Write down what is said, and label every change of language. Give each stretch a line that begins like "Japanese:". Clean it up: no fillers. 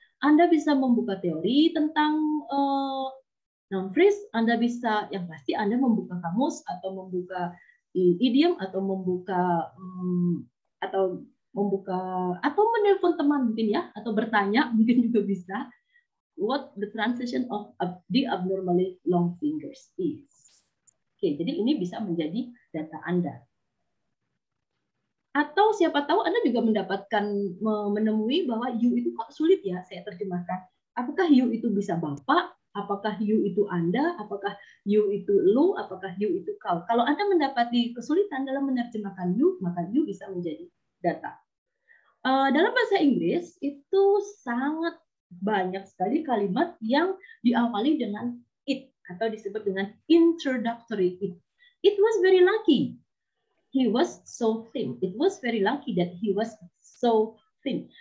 Indonesian: Anda bisa membuka teori tentang noun phrase. Anda bisa, yang pasti Anda membuka kamus atau membuka idiom atau membuka atau menelpon teman mungkin ya, atau bertanya mungkin juga bisa.
English: What the translation of the abnormally long fingers is.
Indonesian: Okay, jadi ini bisa menjadi data Anda. Atau siapa tahu Anda juga mendapatkan, menemui bahwa you itu kok sulit ya saya terjemahkan. Apakah you itu bisa bapak? Apakah you itu Anda? Apakah you itu lu? Apakah you itu kau? Kalau Anda mendapati kesulitan dalam menerjemahkan you, maka you bisa menjadi data. Dalam bahasa Inggris, itu sangat banyak sekali kalimat yang diawali dengan it atau disebut dengan introductory it.
English: It was very lucky. He was so thin. It was very lucky that he was so thin.